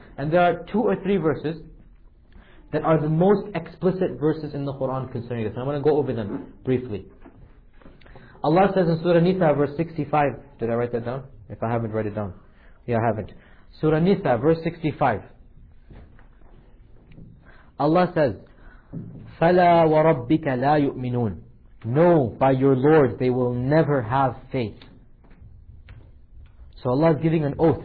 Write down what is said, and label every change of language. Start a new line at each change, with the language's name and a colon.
English: And there are two or three verses that are the most explicit verses in the Quran concerning this. I'm going to go over them briefly. Allah says in Surah Nisa, verse 65. Did I write that down? If I haven't, write it down. Yeah, I haven't. Surah Nisa, verse 65. Allah says,
Arabic: فَلَا وَرَبِّكَ لَا يُؤْمِنُونَ.
English: No, by your Lord, they will never have faith. So Allah is giving an oath.